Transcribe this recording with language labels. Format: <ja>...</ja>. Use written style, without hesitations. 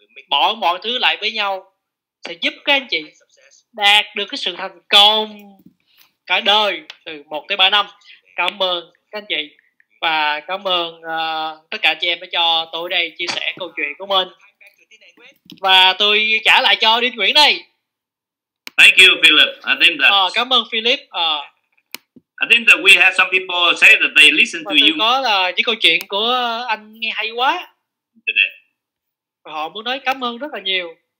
<vi>Bỏ mọi thứ lại với nhau sẽ giúp các anh chị đạt được cái sự thành công cả đời từ 1 tới 3 năm. Cảm ơn các anh chị và cảm ơn tất cả chị em đã cho tôi đây chia sẻ câu chuyện của mình. Và tôi trả lại cho Đinh Nguyễn đây.</vi> <en>Thank you Philip. I think that.</en> <vi>Cảm ơn Philip.</vi> <en>I think that we have some people say that they listen to you.</en> <vi>Có là những câu chuyện của anh nghe hay quá. Họ muốn nói cảm ơn rất là nhiều.</vi>